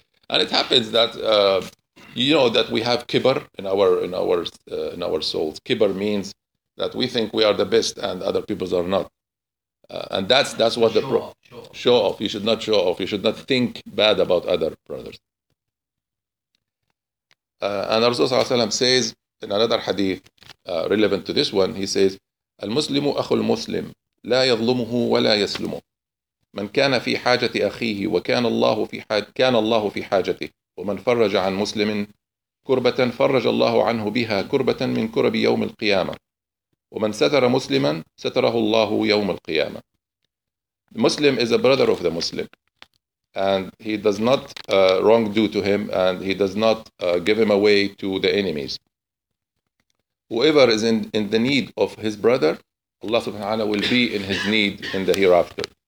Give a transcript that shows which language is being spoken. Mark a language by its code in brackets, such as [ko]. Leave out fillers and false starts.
[en] And it happens that that we have kibar in our souls. Kibar means that we think we are the best, and other people are not. And that's what show the pro off, show off. You should not show off. You should not think bad about other brothers. And Rasulullah ﷺ says in another hadith relevant to this one, he says, [ar] "المسلم أخو المسلم لا يظلمه ولا يسلمه من كان في حاجة أخيه وكان الله في كان الله في حاجته ومن فرج عن مسلم كربة فرج الله عنه بها كربة من كرب يوم القيامة." وَمَنْ سَتَرَ مُسْلِمًا سَتَرَهُ اللَّهُ يَوْمَ الْقِيَامَةِ. [en] The Muslim is a brother of the Muslim. And he does not wrongdo to him, and he does not give him away to the enemies. Whoever is in the need of his brother, Allah subhanahu wa ta'ala will be in his need in the hereafter.